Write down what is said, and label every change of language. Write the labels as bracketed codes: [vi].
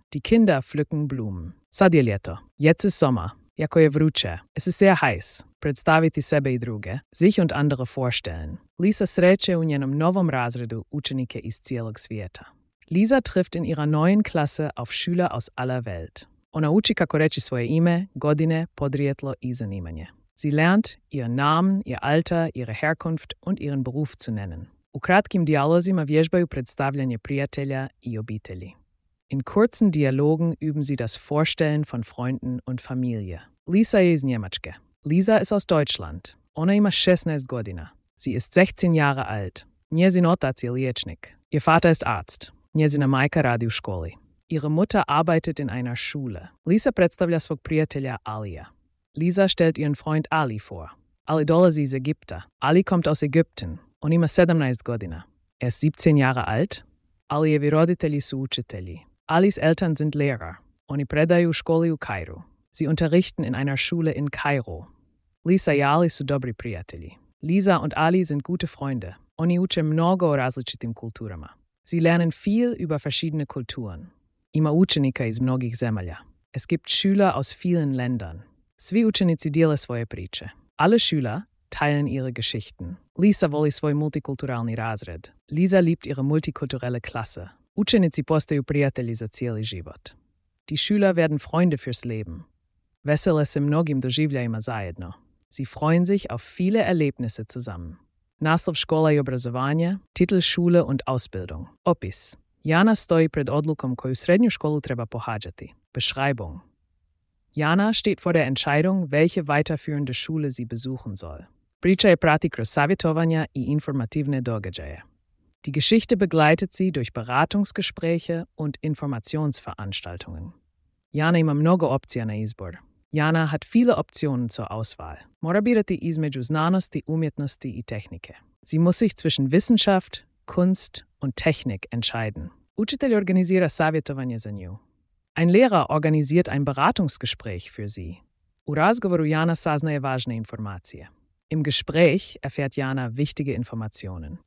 [de] Die Kinder pflücken Blumen. [hr] Sad je ljeto. [de] Jetzt ist Sommer. [hr] Jako je vruće. [de] Es ist sehr heiß. [hr] Predstaviti sebe i druge. [de] Sich und andere vorstellen. [hr] Lisa sreće u njenom novom razredu učenike iz cijelog svijeta. [de] Lisa trifft in ihrer neuen Klasse auf Schüler aus aller Welt. [hr] Ona uči kako reći svoje ime, godine, podrijetlo i zanimanje. [de] Sie lernt, ihren Namen, ihr Alter, ihre Herkunft und ihren Beruf zu nennen. [hr] U kratkim dijalozima vježbaju predstavljanje prijatelja i obitelji. [de] In kurzen Dialogen üben sie das Vorstellen von Freunden und Familie. [hr] Lisa je iz Njemačke. [de] Lisa ist aus Deutschland. [hr] Ona ima 16 godina. [de] Sie ist 16 Jahre alt. [hr] Njezin otac je liječnik. [de] Ihr Vater ist Arzt. [hr] Njezina majka radi u školi. [de] Ihre Mutter arbeitet in einer Schule. [hr] Lisa predstavlja svog prijatelja Alija. [de] Lisa stellt ihren Freund Ali vor. [hr] Ali dolazi iz Egipta. [de] Ali kommt aus Ägypten. [hr] On ima 17 godina. [de] Er ist 17 Jahre alt. [hr] Alijevi roditelji su učitelji. [de] Alis Eltern sind Lehrer. [hr] Oni predaju u školi u Kairu. [de] Sie unterrichten in einer Schule in Kairo. [hr] Lisa i Ali su dobri prijatelji. [de] Lisa und Ali sind gute Freunde. [hr] Oni uče mnogo o različitim kulturama. [de] Sie lernen viel über verschiedene Kulturen. [hr] Ima učenika iz mnogih zemalja. [de] Es gibt Schüler aus vielen Ländern. [hr] Svi učenici dijele svoje priče. [de] Alle Schüler teilen ihre Geschichten. [hr] Lisa voli svoj multikulturalni razred. [de] Lisa liebt ihre multikulturelle Klasse. [hr] Učenici postaju prijatelji za cijeli život. [de] Die Schüler werden Freunde fürs Leben. [hr] Vesele se mnogim doživljajima zajedno. [de] Sie freuen sich auf viele Erlebnisse zusammen. [hr] Naslov škola i obrazovanje, [de] titel Schule und Ausbildung. [hr] Opis. Jana stoji pred odlukom koju srednju školu treba pohađati. [de] Beschreibung. Jana steht vor der Entscheidung, welche weiterführende Schule sie besuchen soll. [hr] Priča je prati kroz savjetovanja i informativne događaje. [de] Die Geschichte begleitet sie durch Beratungsgespräche und Informationsveranstaltungen. [hr] Jana ima mnogo opcija na izbor. [de] Jana hat viele Optionen zur Auswahl. [hr] Mora birati između znanosti, umjetnosti i tehnike. [de] Sie muss sich zwischen Wissenschaft, Kunst und Technik entscheiden. [hr] Učitelj organizira savjetovanje za nju. [de] Ein Lehrer organisiert ein Beratungsgespräch für sie. [hr] U razgovoru Jana saznaje važne informacije. [de] Im Gespräch erfährt Jana wichtige Informationen.